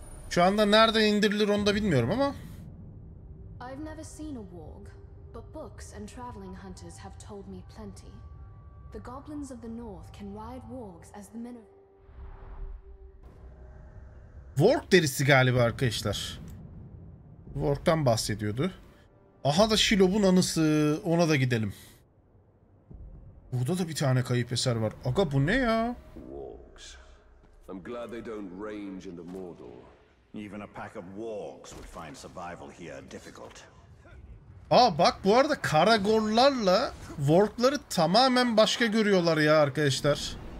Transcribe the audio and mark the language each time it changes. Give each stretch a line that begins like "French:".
Turkish: Şu anda nerede indirilir onu da bilmiyorum ama.
English: I've never seen a warg, but books and traveling hunters have told me plenty. The goblins of the north can ride wargs as the men of...
Turkish: Warg derisi galiba arkadaşlar. Warg'dan bahsediyordu. Aha da Shelob'un anısı, ona da gidelim. Burada da bir tane kayıp eser var. Aga bu ne ya?
English: Wargs. I'm glad they don't range into Mordor. Even a pack of wargs would find survival here difficult.
Turkish: Aa bak, bu arada Karagorlarla wargları tamamen başka görüyorlar ya arkadaşlar.